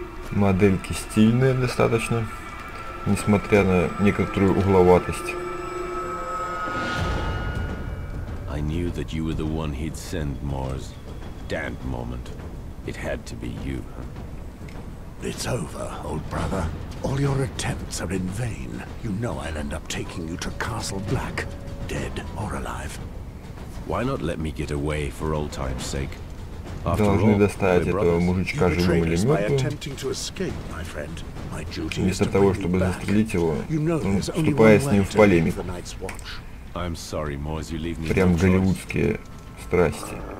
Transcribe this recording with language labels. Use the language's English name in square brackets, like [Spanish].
[Russian] Модельки стильные достаточно, несмотря на некоторую угловатость. [English] I knew that you were the one he'd send, Mars. Damned moment. It had to be you. It's over, old brother. All your attempts are in vain. You know I'll end up taking you to Castle Black, dead or alive. Why not let me get away for old time's sake? [Russian] Должны доставить этого мужичка живым или мертвым. Вместо того, чтобы застрелить его, вступая с ним в полемику. Прям голливудские страсти.